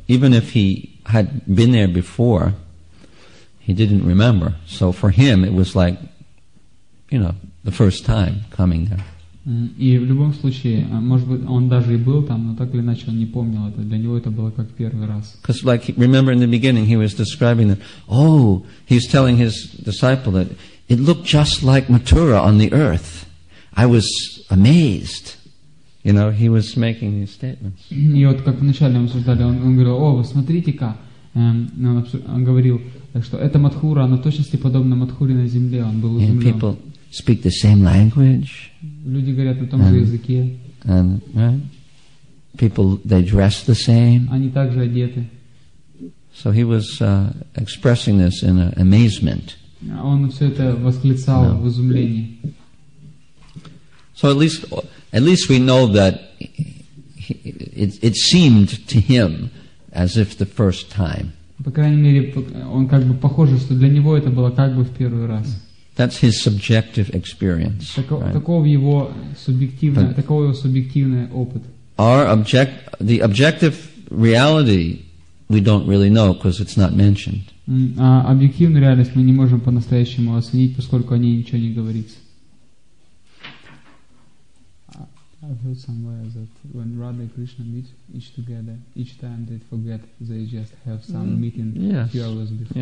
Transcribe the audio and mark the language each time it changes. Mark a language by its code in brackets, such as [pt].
[en] Even if he had been there before, he didn't remember. So for him, it was like, you know, the first time coming there. [ru] И в любом случае, может быть, он даже и был там, но так или иначе он не помнил это. Для него это было как первый раз. [en] Because, like, remember in the beginning, he was describing that. Oh, he's telling his disciple that it looked just like Mathura on the earth. I was amazed. You know, he was making these statements. [ru] И вот как вначале мы обсуждали, он говорил: «О, вы смотрите-ка». Он говорил, что это Мадхура, она точности подобна Мадхуре на земле. Он был изумлен. [en] People speak the same language. [ru] Люди говорят на том же языке. [en] And right? People, they dress the same. [ru] Они также одеты. [en] So he was expressing this in amazement. [ru] Он все это восклицал в изумлении. [en] So at least we know that it seemed to him as if the first time. [ru] По крайней мере, он как бы похоже, что для него это было как бы в первый раз. [en] That's his subjective experience. [ru] Таков его субъективный опыт. [en] The objective reality we don't really know because it's not mentioned. [ru] А объективную реальность мы не можем по-настоящему оценить, поскольку о ней ничего не говорится. [en] I've heard somewhere that when Radha and Krishna meet each together, each time they forget, they just have some meeting a few hours before.